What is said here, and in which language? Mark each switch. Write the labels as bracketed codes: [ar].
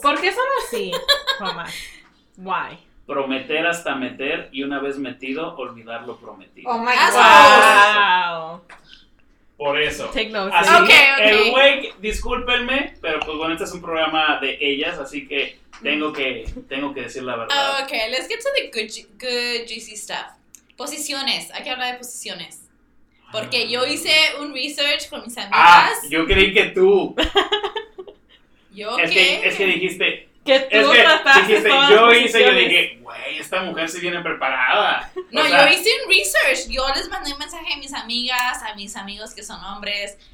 [es] ¿Por qué son así, Tomás? [en] Why? [es] Prometer hasta meter y una vez metido, olvidar lo prometido. [en] Oh my God. Wow. [es] Por eso. [en] Take notes. [es] Así, [en] okay. [es] El güey, discúlpenme, pero pues bueno, este es un programa de ellas, así que tengo que decir la verdad. [en] Oh, okay, let's get to the good juicy stuff. [es] Posiciones, hay que hablar de posiciones. Porque yo hice un research con mis amigas. Ah, yo creí que tú. ¿Yo es qué? Es que dijiste... Que tú es que dijiste, yo hice, y yo dije, güey, esta mujer se viene preparada. No, o sea, yo hice un research. Yo les mandé un mensaje a mis amigas, a mis amigos que son hombres.